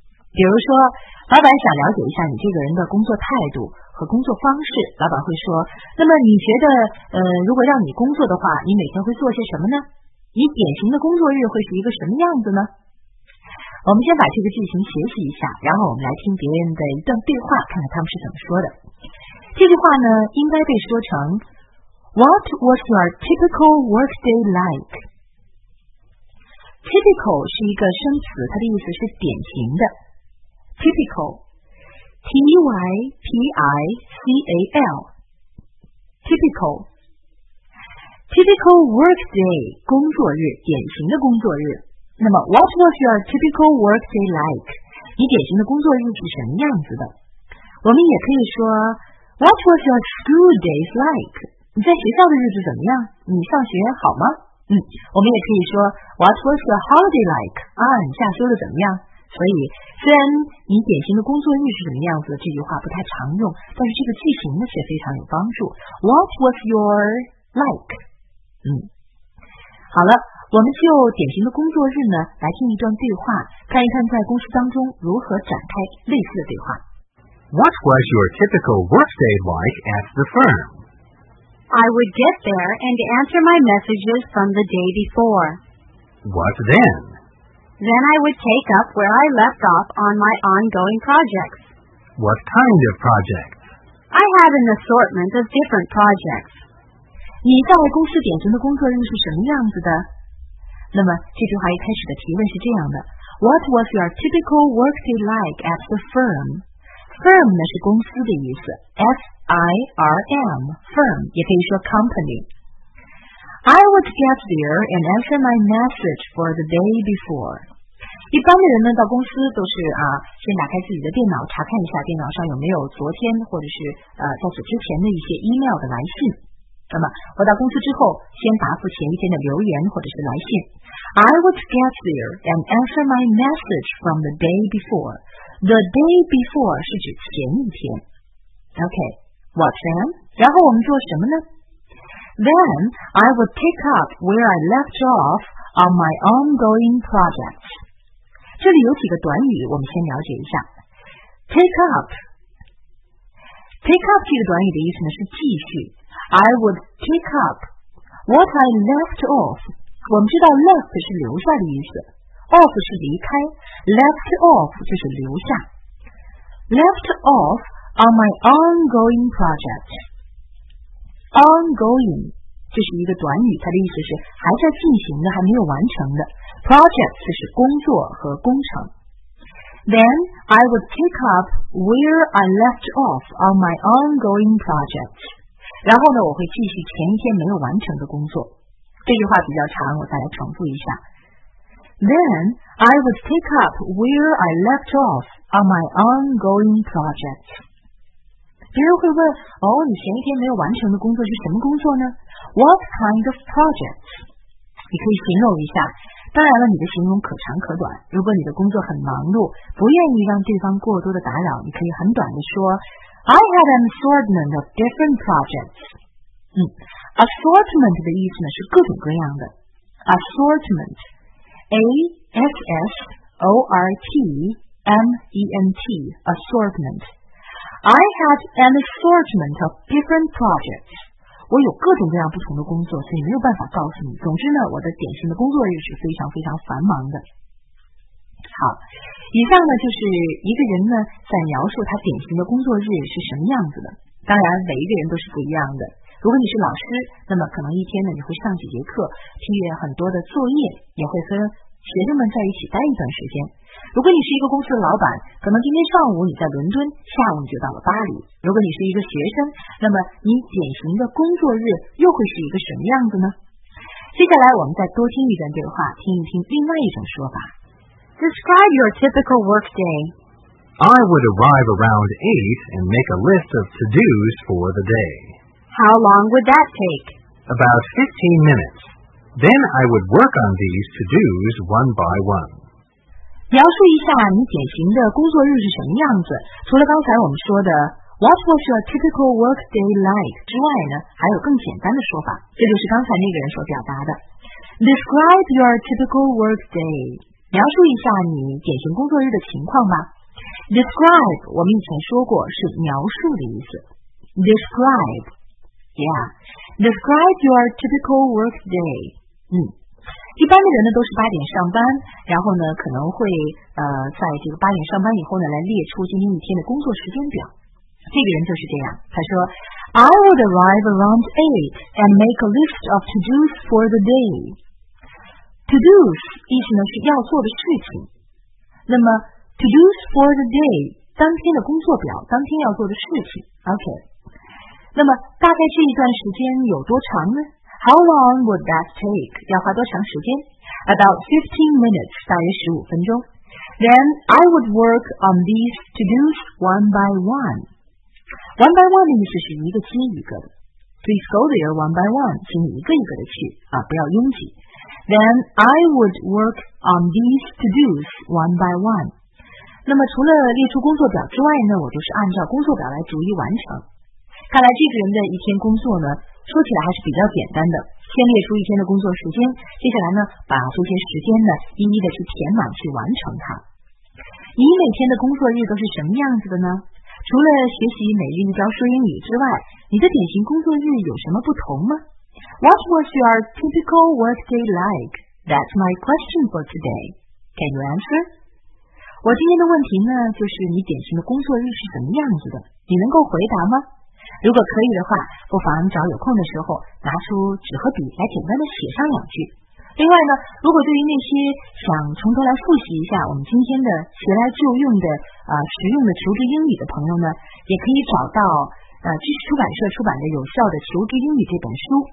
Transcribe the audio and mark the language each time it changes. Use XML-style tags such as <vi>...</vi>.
<zh>比如说，老板想了解一下你这个人的工作态度和工作方式，老板会说，那么你觉得如果让你工作的话，你每天会做些什么呢？你典型的工作日会是一个什么样子呢？我们先把这个句型学习一下，然后我们来听别人的一段对话，看看他们是怎么说的。这句话呢，应该被说成</zh> <en>What was your typical workday like?</en> <zh>Typical 是一个生词，它的意思是典型的。</zh> <en>Typical, T-Y-P-I-C-A-L, Typical, Typical work day,</en> <zh>工作日，典型的工作日。</zh> <en>那么 What was your typical work day like?</en> <zh>你典型的工作日是什么样子的？</zh> <en>我们也可以说 What was your school days like?</en> <zh>你在学校的日子怎么样？你上学好吗？</zh> <en>我们也可以说 What was your holiday like?</en> <zh>啊，你下周的怎么样？所以虽然你典型的工作日是什么样子这句话不太常用，但是这个句型呢却非常有帮助。</zh> <en>What was your like?</en> <zh>好了，我们就典型的工作日呢来听一段对话，看一看在公司当中如何展开类似的对话。</zh> <en>What was your typical workday like at the firm? I would get there and answer my messages from the day before. What then? Then I would take up where I left off on my ongoing projects. What kind of projects? I had an assortment of different projects.</en> <zh>你在公司典型的工作日是什么样子的？那么这句话一开始的提问是这样的</zh> <en>What was your typical workday like at the firm?</en> <zh>Firm 呢是公司的意思 F-I-R-M Firm 也可以说 company。</zh> <en>I would get there and answer my message for the day before.</en> <zh>一般的人呢，到公司都是啊，先打开自己的电脑，查看一下电脑上有没有昨天或者是在此之前的一些 email 的来信。那么我到公司之后，先答复前一天的留言或者是来信。</zh> <en>I would get there and answer my message from the day before. The day before</en> <zh>是指前一天。</zh> <en>Okay, what then?</en> <zh>然后我们做什么呢？</zh> <en>Then I would pick up where I left off on my ongoing projects.</en> <zh>这里有几个短语，我们先了解一下。</zh> <en>Pick up</en> <zh>这个短语的意思呢是继续。</zh> <en>I would pick up what I left off.</en> <zh>我们知道 left 是留下的意思 ，off 是离开 ，left off 就是留下。</zh> <en>Left off on my ongoing projects.</en> <zh>Ongoing 就是一个短语，它的意思是还在进行的，还没有完成的。 Project 就是工作和工程。</zh> <en>Then I would pick up where I left off on my ongoing project.</en> <zh>然后呢，我会继续前一天没有完成的工作。这句话比较长，我再来重复一下。</zh> <en>Then I would pick up where I left off on my ongoing project.</en> <zh>别人会问，哦，你前一天没有完成的工作是什么工作呢 ？</zh> <en>What kind of projects？</en> <zh>你可以形容一下。当然了，你的形容可长可短。如果你的工作很忙碌，不愿意让对方过多的打扰，你可以很短的说 ，</zh> <en>I had an assortment of different projects。</en> <zh>Assortment 的意思呢是各种各样的。</zh> <en>Assortment，A S S O R T M E N T，assortment。 I had an assortment of different projects.</en> <zh>我有各种各样不同的工作，所以没有办法告诉你。总之呢，我的典型的工作日是非常非常繁忙的。好，以上呢就是一个人呢在描述他典型的工作日是什么样子的。当然，每一个人都是不一样的。如果你是老师，那么可能一天呢你会上几节课，批阅很多的作业，也会分学生们在一起待一段时间。如果你是一个公司的老板，可能今天上午你在伦敦，下午你就到了巴黎。如果你是一个学生，那么你典型的工作日又会是一个什么样子呢？接下来我们再多听一段对话，听一听另外一种说法。</zh> <en>Describe your typical work day. I would arrive around 8 and make a list of to-dos for the day. How long would that take? About 15 minutes. Then I would work on these to-dos one by one.</en> <zh>描述一下你典型的工作日是什么样子，除了刚才我们说的</zh> <en>What was your typical work day like</en> <zh>之外呢，还有更简单的说法，这就是刚才那个人所表达的</zh> <en>Describe your typical work day，</en> <zh>描述一下你典型工作日的情况吧。</zh> <en>Describe</en> <zh>我们以前说过是描述的意思，</zh> <en>Describe Yeah Describe your typical work day。</en> <zh>一般的人呢都是八点上班，然后呢可能会在这个八点上班以后呢来列出今天一天的工作时间表。这个人就是这样，他说</zh> <en>I would arrive around 8 and make a list of to-dos for the day.</en> <zh>To-dos 意思呢是要做的事情，那么</zh> <en>to-dos for the day</en> <zh>当天的工作表，当天要做的事情。 OK， 那么大概这一段时间有多长呢？</zh> <en>How long would that take?</en> <zh>要花多长时间？</zh> <en>About 15 minutes,</en> <zh>大约15分钟。</zh> <en>Then I would work on these to-dos one by one.</en> <zh>One by one 的意思是一个接一个的。</zh> <en>Please go there one by one,</en> <zh>请你一个一个的去，不要拥挤。</zh> <en>Then I would work on these to-dos one by one.</en> <zh>那么除了列出工作表之外呢，我就是按照工作表来逐一完成。看来这个人的一天工作呢说起来还是比较简单的，先列出一天的工作时间，接下来呢把这些时间呢一一的去填满去完成它。你每天的工作日都是什么样子的呢？除了学习每日一招说英语之外，你的典型工作日有什么不同吗？</zh> <en>What was your typical work day like? That's my question for today. Can you answer?</en> <zh>我今天的问题呢就是你典型的工作日是什么样子的，你能够回答吗？如果可以的话，不妨找有空的时候拿出纸和笔来简单的写上两句。另外呢，如果对于那些想从头来复习一下我们今天的学来就用的实用的求职英语的朋友呢，也可以找到知识出版社出版的有效的求职英语这本书。</zh>